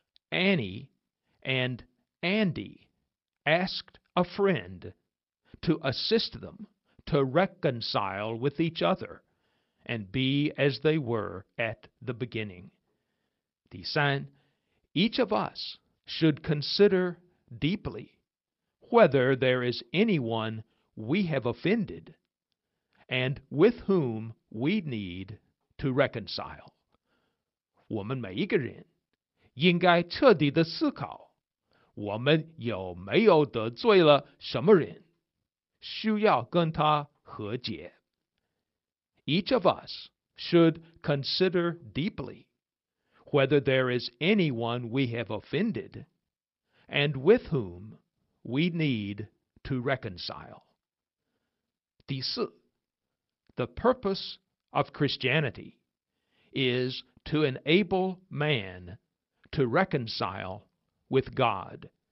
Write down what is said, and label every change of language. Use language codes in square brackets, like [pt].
[en] Annie and Andy asked a friendTo assist them to reconcile with each other and be as they were at the beginning. [zh] 第三， [en] Each of us should consider deeply whether there is anyone we have offended and with whom we need to reconcile. [zh] 我们每一个人应该彻底地思考，我们有没有得罪了什么人，需要跟他和解。 [en] Each of us should consider deeply whether there is anyone we have offended and with whom we need to reconcile. [zh] 第四， [en] The purpose of Christianity is to enable man to reconcile with God.